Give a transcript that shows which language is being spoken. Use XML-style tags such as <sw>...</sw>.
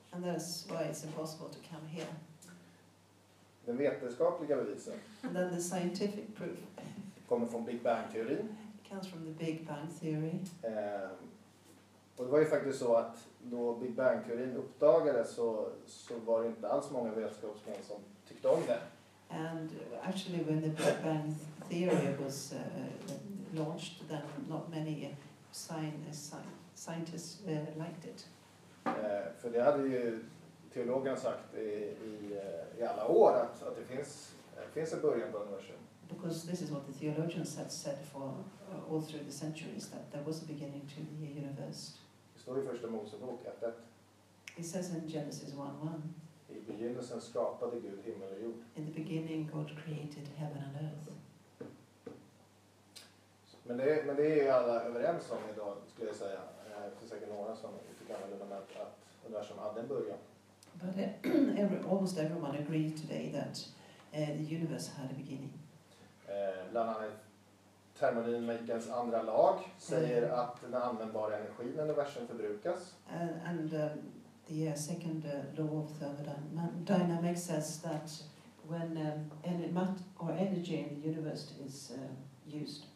<en>And that's why it's impossible to come here.</en> <sv>Den vetenskapliga bevisen.</sv> <en>And then the scientific proof.</en> <sv>Kommer från Big Bang-teorin.</sv> <en>It comes from the Big Bang-theory.</en> <sv>Och det var ju faktiskt så att då Big Bang-teorin uppdagades så var det inte alls många vetenskapsmän som tyckte om det.</sv> <en>And actually when the Big Bang theory was launched, then not many scientists liked it.</en> <sv>För det hade ju teologen sagt i alla år att det finns en början på universum.</sv> <en>Because this is what the theologians had said for all through the centuries, that there was a beginning to the universe.</en> <sv>Det står i Första Mosebok 1:1.</sv> <en>It says in Genesis 1:1.</en> <sv>I begynnelsen skapade Gud himmel och jord.</sv> <en>In the beginning God created heaven and earth.</en> <sv>Men det är ju alla överens om idag, skulle jag säga. Det finns säkert några som inte kan använda med att universum hade en början.</sv> <en>But almost everyone agreed today that the universe had a beginning.</en> <sv>Bland annat termodynamikens andra lag säger att den användbara energin i universum förbrukas.</sv> <en>The second law of thermodynamics says that when energy in the universe is used.</en>